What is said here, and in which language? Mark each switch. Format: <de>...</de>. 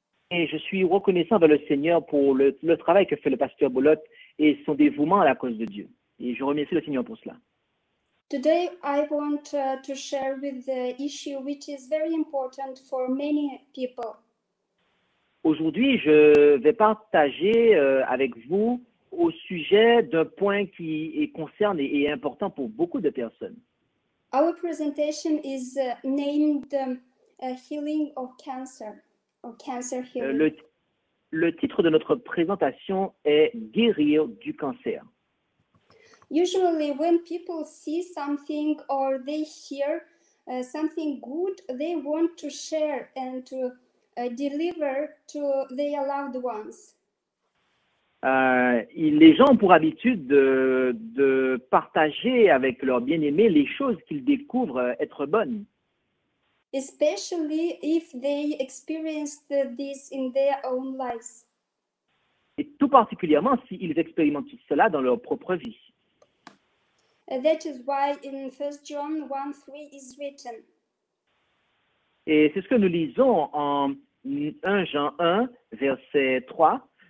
<fr>Et je suis reconnaissant vers le Seigneur pour le travail que fait le Pasteur Belot et son dévouement à la cause de Dieu. Et je remercie le Seigneur pour cela.</fr> <en>Today I want to share with the issue which is very important for many people.</en> <fr>Aujourd'hui, je vais partager avec vous au sujet d'un point qui concerne et est important pour beaucoup de personnes.</fr> <en>Our presentation is named Healing of Cancer or Cancer Healing.</en> <fr>Le titre de notre présentation est Guérir du cancer.</fr> <en>Usually when people see something or they hear something good, they want to share and to deliver to their loved ones.</en> <fr>Les gens ont pour habitude de partager avec leurs bien-aimés les choses qu'ils découvrent être bonnes.</fr> <en>Especially if they experienced this in their own lives.</en> <fr>Et tout particulièrement s'ils expérimentent cela dans leur propre vie.</fr> <en>That is why in 1 John 1:3 is written.</en> <fr>Et c'est ce que nous lisons en 1 Jean 1, verset 3.</fr>